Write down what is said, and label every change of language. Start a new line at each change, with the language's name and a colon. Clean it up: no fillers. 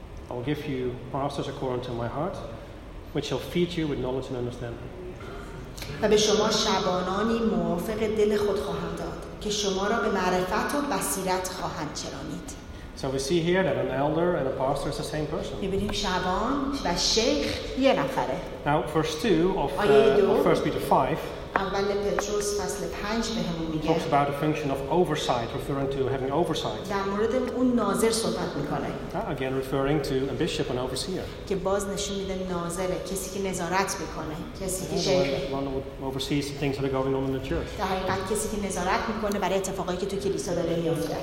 English: I'll give you pastors according to my heart, which shall feed you with knowledge and understanding.
Persian: و به شما شبانانی موافق دل خود خواهم داد که شما را به معرفت و بصیرت خواهند چرانید.
English: So we see here that an elder and a pastor is the same person.
Persian: می‌بینیم شبان و شیخ یه نفره.
English: Now verse 2 of 1 Peter 5
Persian: اول پتروس فصل 5 بهمون میگه.
English: Talks about the function of oversight, referring to having oversight.
Persian: در مورد اون ناظر صحبت میکنه.
English: Again referring to a bishop, an overseer.
Persian: که باز نشون میده ناظره، کسی که نظارت میکنه، کسی که شیخه.
English: One who oversees the things that are going on in the church.
Persian: در حقیقت کسی که نظارت میکنه برای اتفاقایی که تو کلیسا داره میفته.